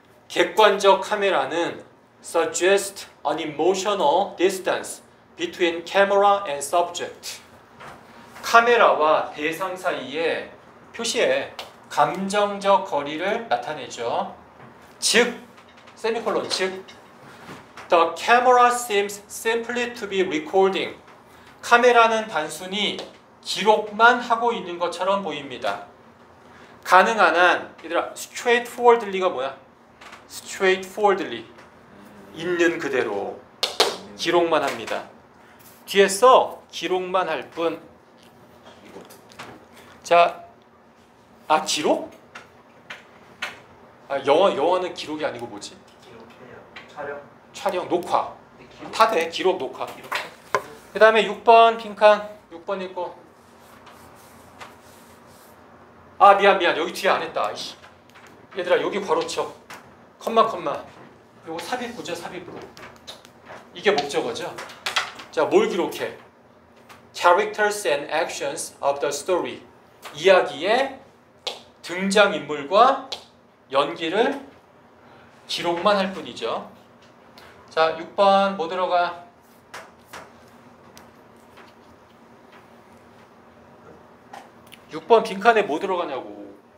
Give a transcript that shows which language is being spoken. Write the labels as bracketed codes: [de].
[ko] 객관적 카메라는 [en] suggest an emotional distance between camera and subject. [ko] 카메라와 대상 사이에 표시해 감정적 거리를 나타내죠. 즉, 세미콜론, 즉, [en] the camera seems simply to be recording. [ko] 카메라는 단순히 기록만 하고 있는 것처럼 보입니다. 가능한 한, 얘들아, straightforwardly가 뭐야? straightforwardly. 있는 그대로. 기록만 합니다. 뒤에 써, 기록만 할 뿐. 자, 아, 기록? 아, 영화는 기록이 아니고 뭐지? 기록해요. 촬영. 촬영, 녹화. 다 돼, 기록, 녹화. 그 다음에 6번 빈칸, 6번 읽고. 아 미안 여기 뒤에 안 했다. 아이씨. 얘들아 여기 괄호 쳐. 컴마 요거 삽입구죠. 삽입으로. 이게 목적어죠. 자 뭘 기록해? [en] Characters and actions of the story. [ko] 이야기의 등장인물과 연기를 기록만 할 뿐이죠. 자 6번 뭐 들어가? 6번 빈칸에 뭐 들어가냐고.